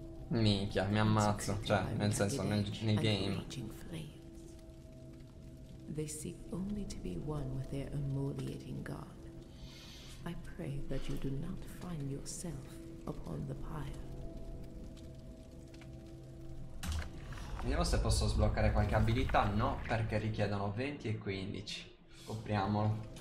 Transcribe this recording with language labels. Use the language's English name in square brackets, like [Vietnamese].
[Italian] Minchia, mi ammazzo, cioè, nel senso, nel game. [English] They seek only to be one with their emoliating god. I pray that you do not find yourself upon the pyre. [Italian] Vediamo se posso sbloccare qualche abilità, no, perché richiedono 20 e 15. Copriamolo.